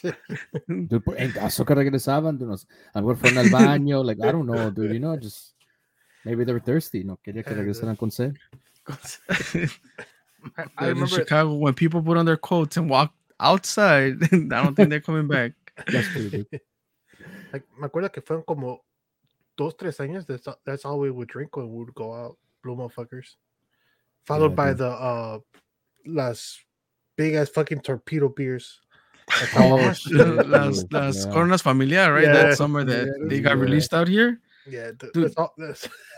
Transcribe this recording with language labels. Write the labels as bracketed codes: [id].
[en] oh, shit. Dude, [es] en caso, [en] like, I don't know, dude, you know, just. Maybe they were thirsty. [es] No, quería que regresaran con sed. [en] I remember in Chicago when people put on their coats and walked outside. I don't think they're coming back. That's true, dude. [es] Like, me acuerdo que fueron como dos, tres años. [en] That's all we would drink when we would go out, blue motherfuckers. Followed by the [es] las [en] big ass fucking torpedo beers. Las Coronas Familiar, right? Yeah. That summer that they got released out here. Yeah, dude. That's